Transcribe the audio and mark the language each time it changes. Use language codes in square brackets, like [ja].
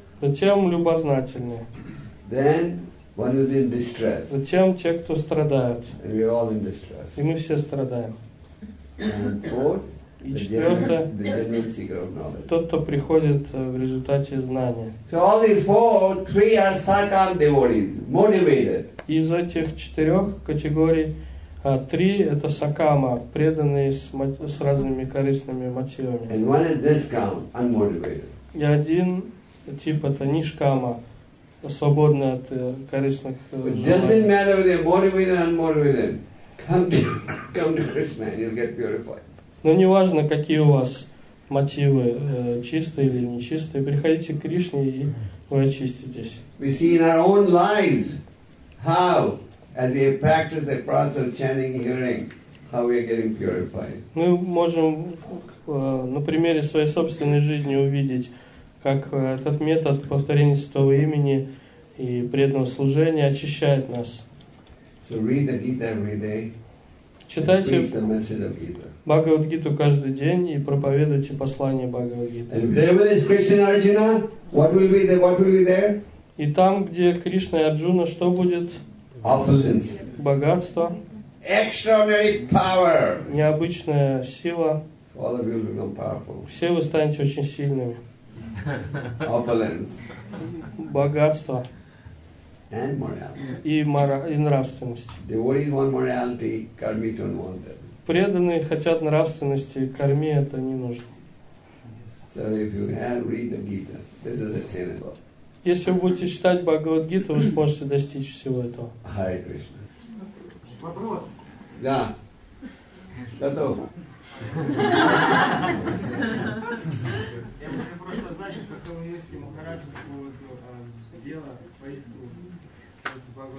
[ru] Затем любознательные. [en] Then one is in distress. [ru] Затем те, кто страдают. [en] And we are all in distress. [ru] И мы все страдаем. [en] And fourth. [ru] И четвертое, тот, кто приходит в результате знания. [en] So all these four, three are sakam devotees, motivated. [ru] Из этих четырех категорий три — это сакама, преданные с разными корыстными мотивами. [en] And one is niskam, unmotivated. [ru] И один тип — это нишкама, свободный от корыстных желаний. [en] Doesn't matter whether motivated or unmotivated. Come to Krishna and you'll get purified. [ru] Но не важно, какие у вас мотивы, чистые или нечистые, приходите к Кришне, и вы очиститесь. [en] We see in our own lives how, as we practice the process of chanting, hearing, how we are getting purified. [ru] Мы можем на примере своей собственной жизни увидеть, как этот метод повторения святого имени и преданного служения очищает нас. [en] So read the Gita every day. [ru] Читайте Бхагавад-гиту каждый день и проповедуйте послание Бхагавад-гиты. И там, где Кришна и Арджуна, что будет? [en] Opulence. [ru] Богатство. [en] Extraordinary power. [ru] Необычная сила. [en] All of you will become powerful. [ru] Все вы станете очень сильными. [en] Opulence. [ru] Богатство. [en] And morality. [ru] И нравственность. [en] Devotees want morality, karmi don't want that. [ru] Преданные хотят нравственности, карме это не нужно. [en] So if you have read the Gita, this is attainable. [ru] Если вы будете читать Бхагавад-гиту, вы сможете достичь всего этого. [en] Hare Krishna. [ru] Вопрос? Да. Готов. Я могу просто знать, как у меня есть Махараджа по поводу дела, поиску.